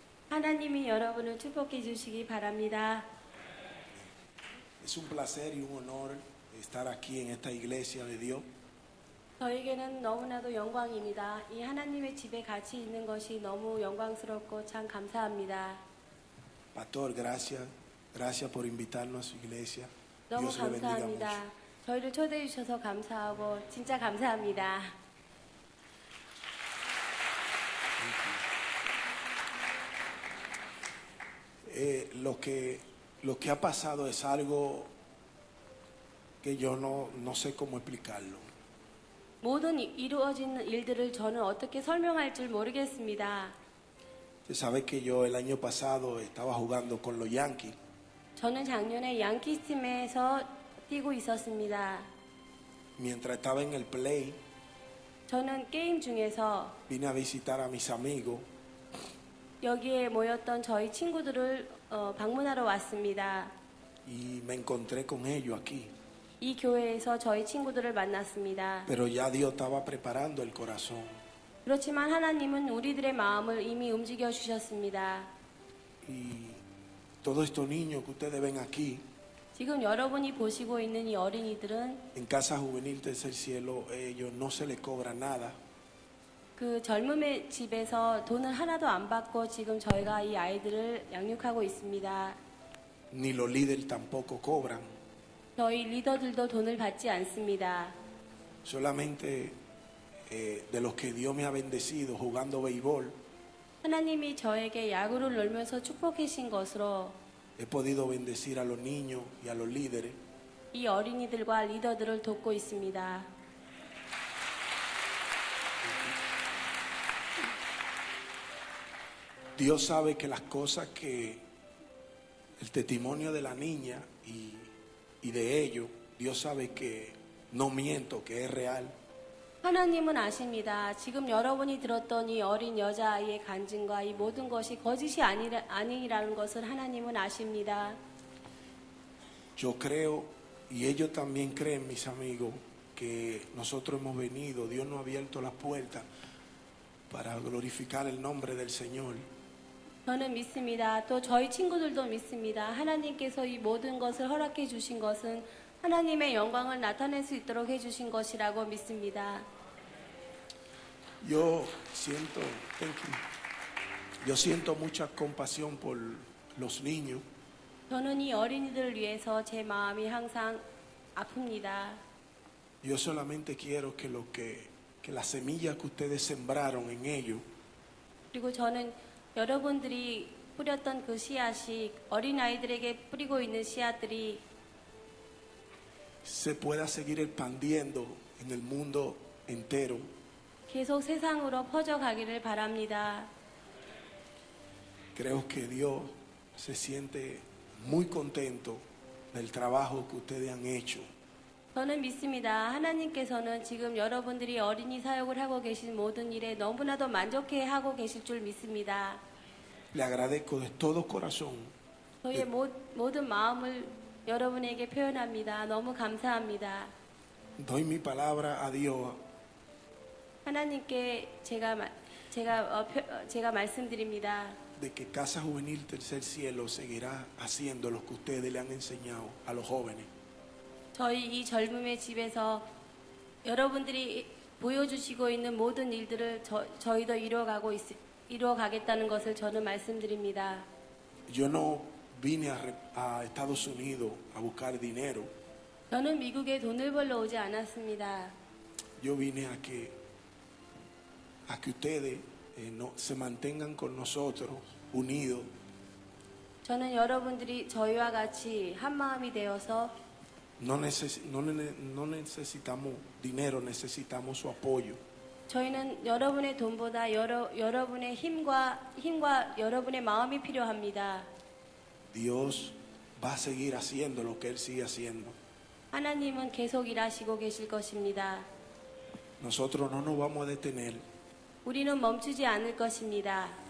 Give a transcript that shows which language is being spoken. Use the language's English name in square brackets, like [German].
[Korean] 하나님이 여러분을 축복해 주시기 바랍니다. [Spanish] Es un placer y un honor estar aquí en esta iglesia de Dios. [Korean] 저에게는 너무나도 영광입니다. 이 하나님의 집에 같이 있는 것이 너무 영광스럽고 참 감사합니다. [Spanish] Pastor, gracias. Gracias por invitarnos a su iglesia. [Korean] 너무 감사합니다. 저희를 초대해 주셔서 감사하고 진짜 감사합니다. [Spanish] Lo que ha pasado es algo que yo no sé cómo explicarlo. [Korean] 모든 이루어진 일들을 저는 어떻게 설명할 줄 모르겠습니다. [Spanish] Sabes que yo el año pasado estaba jugando con los Yankees. [Korean] 저는 작년에 양키 팀에서 뛰고 있었습니다. [Spanish] Mientras estaba en el play, [Korean] 저는 게임 중에서 [Spanish] vine a visitar a mis amigos. [Korean] 여기에 모였던 저희 친구들을 방문하러 왔습니다. [Spanish] Y me encontré con ellos aquí. [Korean] 이 교회에서 저희 친구들을 만났습니다. [Spanish] Pero ya Dios estaba preparando el corazón. [Korean] 그렇지만 하나님은 우리들의 마음을 이미 움직여 주셨습니다. [Spanish] Y todos estos niños que ustedes ven aquí. [Korean] 지금 여러분이 보시고 있는 이 어린이들은 [Spanish] En casa juvenil del cielo ellos no se les cobra nada. [Korean] 그 젊음의 집에서 돈을 하나도 안 받고 지금 저희가 이 아이들을 양육하고 있습니다. [Spanish] Ni los líderes tampoco cobran. [Korean] 저희 리더들도 돈을 받지 않습니다. [Spanish] Solamente de los que Dios me ha bendecido jugando béisbol. [Korean] 하나님이 저에게 야구를 놀면서 축복하신 것으로 [Spanish] he podido bendecir a los niños y a los líderes. [Korean] 이 어린이들과 리더들을 돕고 있습니다. [Spanish] Dios sabe que las cosas que el testimonio de la niña y de ello, Dios sabe que no miento, que es real. [Korean] 하나님은 아십니다. 지금 여러분이 들었던 이 어린 여자아이의 간증과 이 모든 것이 거짓이 아니라는 것을 하나님은 아십니다. [Spanish] Yo creo y ellos también creen, mis amigos, que nosotros hemos venido. Dios no ha abierto las puertas para glorificar el nombre del Señor. [Korean] 저는 믿습니다. 또 저희 친구들도 믿습니다. 하나님께서 이 모든 것을 허락해 주신 것은 하나님의 영광을 나타낼 수 있도록 해 주신 것이라고 믿습니다. [Spanish] Yo siento, [English] thank you. [Spanish] Yo siento mucha compasión por los niños. [Korean] 저는 이 어린이들을 위해서 제 마음이 항상 아픕니다. [Spanish] Yo solamente quiero que lo que la semilla que ustedes sembraron en ellos. [Korean] 그리고 저는 여러분들이 뿌렸던 그 씨앗이 어린 아이들에게 뿌리고 있는 씨앗들이 [Spanish] se pueda seguir expandiendo en el mundo entero. [Korean] 계속 세상으로 퍼져 가기를 바랍니다. [Spanish] Creo que Dios se siente muy contento del trabajo que ustedes han hecho. [Korean] 저는 믿습니다. 하나님께서는 지금 여러분들이 어린이 사역을 하고 계신 모든 일에 너무나도 만족해 하고 계실 줄 믿습니다. [Spanish] Le agradezco de todo corazón. [Korean] 저의 모든 마음을 여러분에게 표현합니다. 너무 감사합니다. [Spanish] Doy mi palabra a Dios. [Korean] 하나님께 제가 말씀드립니다. [Spanish] De que Casa Juvenil Tercer Cielo seguirá haciendo lo que ustedes le han enseñado a los jóvenes. [Korean] 저희 이 젊음의 집에서 여러분들이 보여주시고 있는 모든 일들을 저희도 이루어가겠다는 것을 저는 말씀드립니다. [Spanish] Yo no vine a Estados Unidos a buscar dinero. [Korean] 저는 미국에 돈을 벌러 오지 않았습니다. [Spanish] yo vine aquí a que ustedes no se mantengan con nosotros unidos. [Korean] 저는 여러분들이 저희와 같이 한 마음이 되어서 [Spanish] no necesitamos dinero, necesitamos su apoyo. [Korean] 저희는 여러분의 돈보다 여러분의 힘과 여러분의 마음이 필요합니다. [Spanish] Dios va a seguir haciendo lo que él sigue haciendo. [Korean] 하나님은 계속 일하시고 계실 것입니다. [Spanish] Nosotros no nos vamos a detener. [Korean] 우리는 멈추지 않을 것입니다.